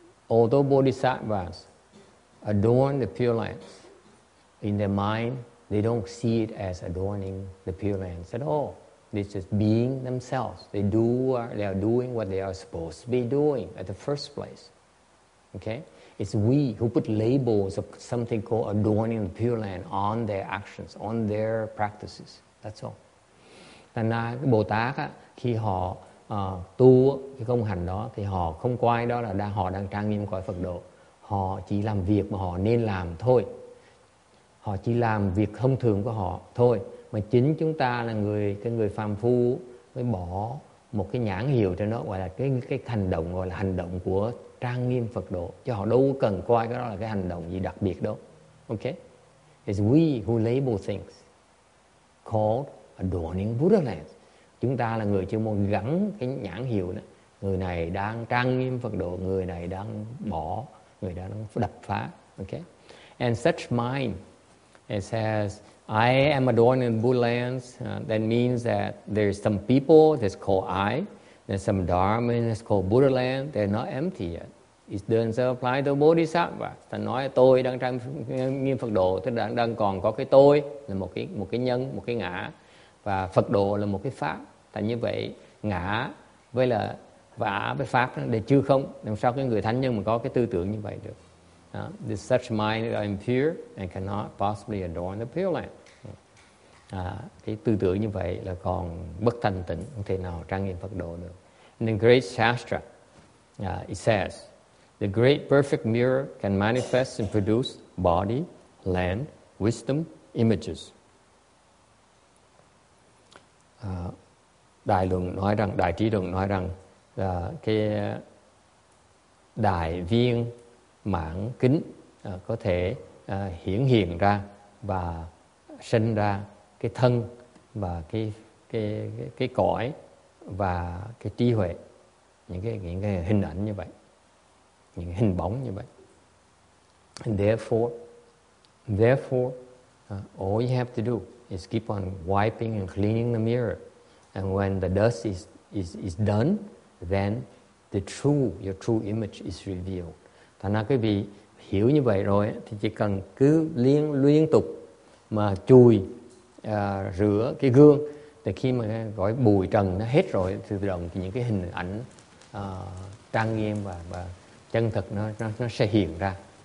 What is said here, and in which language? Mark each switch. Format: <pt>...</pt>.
<en>Although bodhisattvas adorn the Pure Lands, in their mind, they don't see it as adorning the Pure Lands at all. They're just being themselves. They are doing what they are supposed to be doing at the first place. Okay? It's we who put labels of something called adorning the Pure Land on their actions, on their practices. That's all.</en> <vi>Thành ra cái Bồ Tát á, khi họ tu cái công hành đó thì họ không coi đó là họ đang trang nghiêm quả Phật độ, họ chỉ làm việc mà họ nên làm thôi. họ chỉ làm việc thông thường của họ thôi, mà chính chúng ta là người, cái người phàm phu mới bỏ một cái nhãn hiệu cho nó, gọi là cái hành động, gọi là hành động của trang nghiêm Phật độ, cho họ đâu có cần coi cái đó là cái hành động gì đặc biệt đâu.</vi> <en>Ok, it's we who label things called adorning Buddha land.</en> <vi>Chúng ta là người chuyên môn gắn cái nhãn hiệu đó, người này đang trang nghiêm Phật độ, người này đang bỏ, người đó đang đập phá.</vi> <en>Ok, and such mind, it says, I am adorning Buddha lands. That means that there's some people that's called I. There's some dharma that's called Buddha land. They're not empty yet. It doesn't apply to Bodhisattva.</en> <vi>Ta nói tôi đang trang nghiêm Phật độ, tức là đang còn có cái tôi là một cái nhân, một cái ngã, và Phật độ là một cái pháp. Thành như vậy, ngã với là vả với pháp là chưa không. Làm sao cái người thánh nhân mà có cái tư tưởng như vậy được?</vi> <en>This such mind is impure and cannot possibly adorn the Pure Land.</en> <vi>Cái tư tưởng như vậy là còn bất thanh tịnh, không thể nào trang nghiêm Phật độ được.</vi> <en>In the great Shastra, it says, the great perfect mirror can manifest and produce body, land, wisdom, images.</en> <vi>Đại luận nói rằng, đại trí luận nói rằng, cái đại viên mãn kính có thể hiển hiện ra và sinh ra cái thân và cái cõi và cái trí huệ, những cái hình ảnh như vậy, những cái hình bóng như vậy.</vi> <en>And therefore all you have to do is keep on wiping and cleaning the mirror, and when the dust is done, then your true image is revealed.</en> <vi>Thành ra quý vị hiểu như vậy rồi thì chỉ cần cứ liên tục mà chùi rửa cái gương, thì khi mà gọi bụi trần nó hết rồi, tự động thì những cái hình ảnh trang nghiêm và chân thực nó sẽ hiện ra.</vi>